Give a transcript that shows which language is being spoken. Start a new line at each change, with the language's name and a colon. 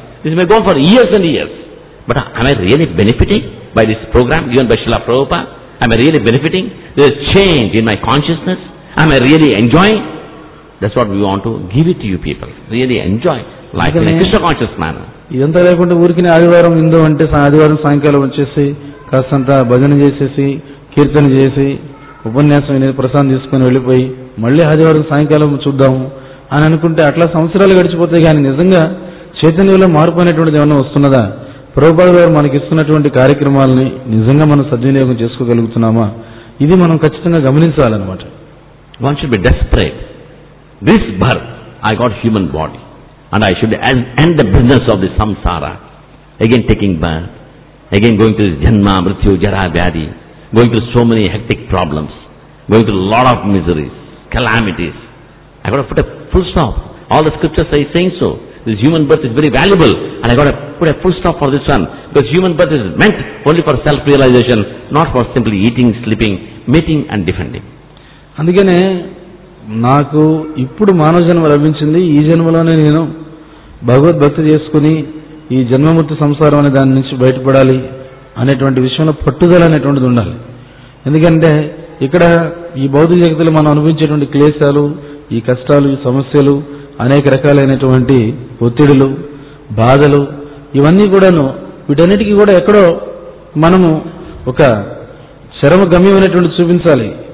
English: This may go on for years and years. But am I really benefiting by this program given by Srila Prabhupada? Am I really benefiting? There is change in my consciousness. Am I really enjoying? That's what we want to give it to you people. Really enjoy life in a Krishna conscious manner.
Telugu: ఇదంతా లేకుండా ఊరికి ఆదివారం ఇందు అంటే ఆదివారం సాయంకాలం వచ్చేసి కాస్తంత భజన చేసేసి కీర్తన చేసి ఉపన్యాసం అనేది ప్రసాదం తీసుకుని వెళ్ళిపోయి మళ్ళీ ఆదివారం సాయంకాలం చూద్దాము అని అనుకుంటే అట్లా సంవత్సరాలు గడిచిపోతాయి. కానీ నిజంగా చైతన్యంలో మార్పు అనేటువంటిది ఏమన్నా వస్తున్నదా? ప్రభుపాద గారు మనకిస్తున్నటువంటి కార్యక్రమాలని నిజంగా మనం సద్వినియోగం చేసుకోగలుగుతున్నామా? ఇది మనం ఖచ్చితంగా గమనించాలన్నమాట.
English: One should be desperate. This birth I got human body and I should end the business of the samsara. Again taking birth, Again going through this janma, mrityu, jara, vyadi, going through so many hectic problems, going through a lot of miseries, calamities. I got to put a full stop. All the scriptures are saying so. This human birth is very valuable, and I got to put a full stop for this one. Because human birth is meant only for self-realization, not for simply eating, sleeping, mating and defending.
Telugu: అందుకనే నాకు ఇప్పుడు మానవ జన్మ లభించింది, ఈ జన్మలోనే నేను భగవద్భక్త చేసుకుని ఈ జన్మమృతి సంసారం అనే దాని నుంచి బయటపడాలి అనేటువంటి విషయంలో పట్టుదల అనేటువంటిది ఉండాలి. ఎందుకంటే ఇక్కడ ఈ భౌతిక జగత్తులో మనం అనుభవించేటువంటి క్లేశాలు, ఈ కష్టాలు, ఈ సమస్యలు, అనేక రకాలైనటువంటి ఒత్తిడులు, బాధలు, ఇవన్నీ కూడాను వీటన్నిటికీ కూడా ఎక్కడో మనము ఒక చరమ గమ్యం అనేటువంటి చూపించాలి.